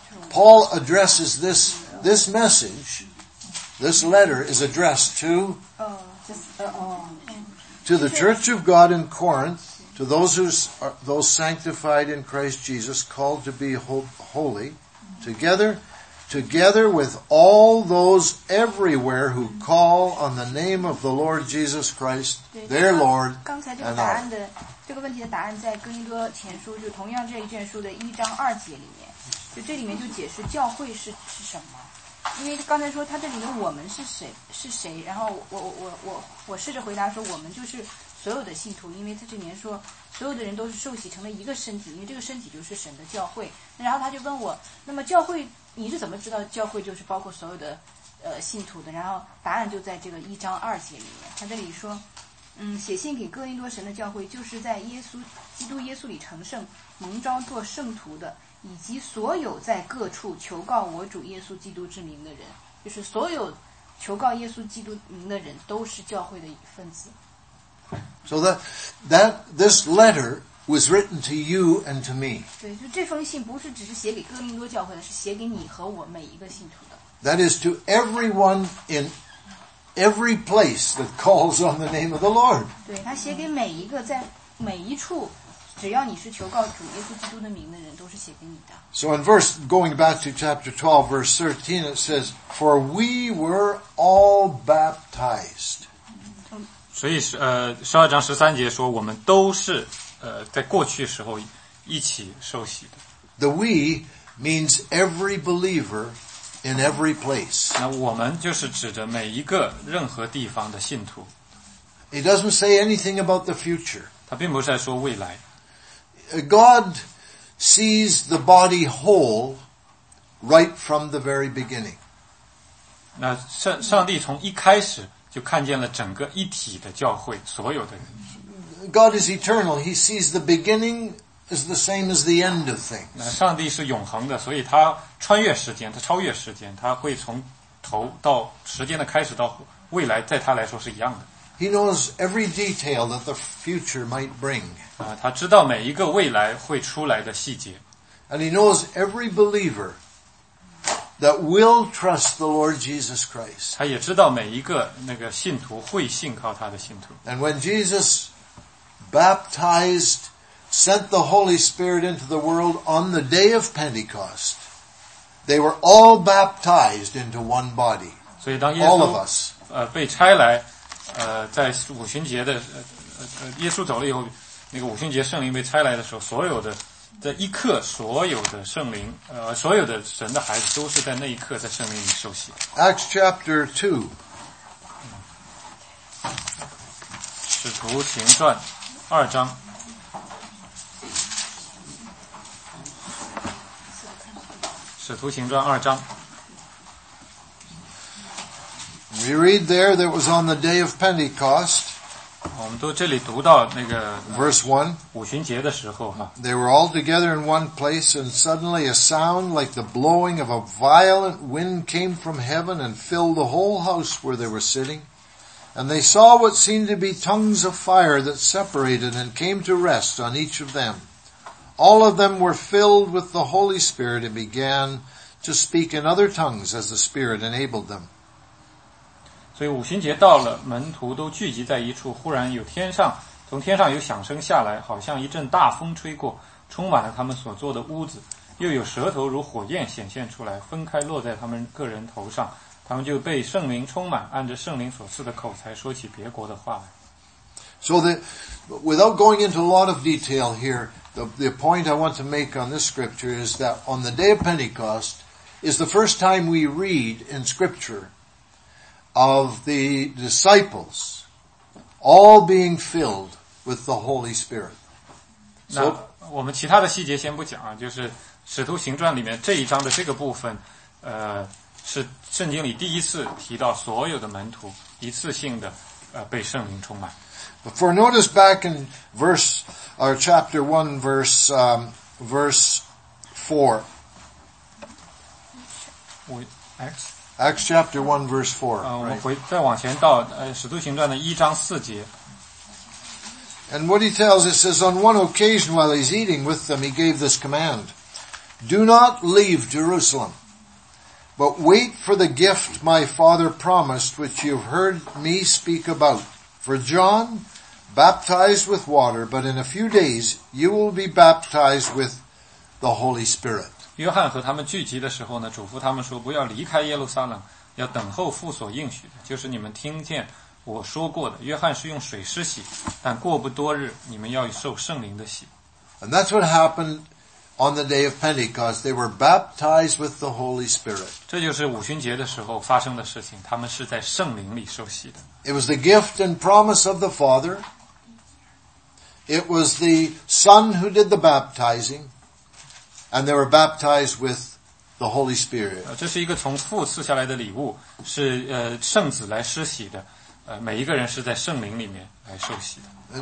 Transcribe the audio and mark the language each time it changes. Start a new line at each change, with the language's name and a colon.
English: Paul addresses this message, this letter is addressed to the Church of God in Corinth, to those sanctified in Christ Jesus, called to be holy, together with all those everywhere who call on the name of the Lord Jesus Christ, their Lord and ours.
Chinese: 这个问题的答案在哥林多前书，就同样这一卷书的一章二节里面。就这里面就解释教会是什么，因为刚才说他这里面我们是谁，然后我试着回答说我们就是所有的信徒，因为他这里面说所有的人都是受洗成了一个身体，因为这个身体就是神的教会。然后他就问我，那么教会你是怎么知道教会就是包括所有的信徒的？然后答案就在这个一章二节里面，他这里说，写信给哥林多神的教会，就是在耶稣基督耶稣里成圣蒙召做圣徒的，以及所有在各处求告我主耶稣基督之名的人，就是所有求告耶稣基督名的人都是教会的一份子。
English: So this letter was written to you and to me.
Chinese: 对，就这封信不是只是写给哥林多教会的，是写给你和我每一个信徒的。
English: That is to everyone in every place that calls on the name of the Lord.
Chinese: 对，他写给每一个在每一处。只要你是求告主耶稣基督的名的人，都是写给你的。
English: So in verse, going back to chapter 12, verse 13, it says, "For we were all baptized."
Chinese: 所以十二章十三节说，我们都是在过去时候一起受洗的。
English: The we means every believer in every place.
Chinese: 那我们就是指着每一个任何地方的信徒。
English: It doesn't say anything about the future.
Chinese: 它并不是在说未来。
English: God sees the body whole right from the very beginning.
Chinese: 那上帝从一开始就看见了整个一体的教会，所有的人。
English: God is eternal. He sees the beginning as the same as the end of things.
Chinese: 那上帝是永恒的，所以他穿越时间，他超越时间，他会从头到时间的开始到未来，在他来说是一样的。
English: He knows every detail that the future might bring.
Chinese: 他知道每一个未来会出来的细节。
English: And he knows every believer that will trust the Lord Jesus Christ.
Chinese: 他也知道每一个那个信徒会信靠他的信徒。
English: And when Jesus baptized, sent the Holy Spirit into the world on the day of Pentecost, they were all baptized into one body.
Chinese: 所以当耶稣
English: all of us.
Chinese: 被差来在五旬节的耶稣走了以后，那个五旬节圣灵被拆来的时候，所有的这一刻所有的圣灵所有的神的孩子都是在那一刻在圣灵里受洗。
English: Acts chapter 2。
Chinese: 使徒行传二章。使徒行传二章。
English: We read there that was on the day of Pentecost.
Chinese: 我们都这里读到那个
English: verse 1,
Chinese: 五旬节的时候哈。
English: They were all together in one place, and suddenly a sound like the blowing of a violent wind came from heaven and filled the whole house where they were sitting. And they saw what seemed to be tongues of fire that separated and came to rest on each of them. All of them were filled with the Holy Spirit and began to speak in other tongues as the Spirit enabled them.
Chinese: 所以五旬节到了，门徒都聚集在一处，忽然有天上，从天上有响声下来，好像一阵大风吹过，充满了他们所坐的屋子，又有舌头如火焰显现出来，分开落在他们个人头上，他们就被圣灵充满，按着圣灵所赐的口才说起别国的话来。
English: So that, without going into a lot of detail here, the point I want to make on this scripture is that on the day of Pentecost is the first time we read in scripture,of the disciples all being filled with the Holy Spirit.
Chinese: So, 那我们其他的细节先不讲啊，就是使徒行传里面这一章的这个部分是圣经里第一次提到所有的门徒一次性的被圣灵充满。
English: But for notice back in verse, or chapter 1 verse 4. Acts chapter 1 verse 4.
Chinese: 我们回再往前到使徒行传的一章四节。
English: And what he tells us is on one occasion while he's eating with them, he gave this command. Do not leave Jerusalem, but wait for the gift my father promised, which you've heard me speak about. For John baptized with water, but in a few days you will be baptized with the Holy Spirit.
Chinese: 约翰和他们聚集的时候呢，嘱咐他们说：“不要离开耶路撒冷，要等候父所应许的，就是你们听见我说过的。约翰是用水施洗，但过不多日，你们要受圣灵的洗。”
English: And that's what happened on the day of Pentecost. They were baptized with the Holy Spirit.
Chinese: 这就是五旬节的时候发生的事情，他们是在圣灵里受洗的。
English: It was the gift and promise of the Father. It was the Son who did the baptizing. And they were baptized with the Holy Spirit.
Chinese: 这是一个从父赐下来的礼物，是圣子来施洗的，每一个人是在圣灵里面来受洗的。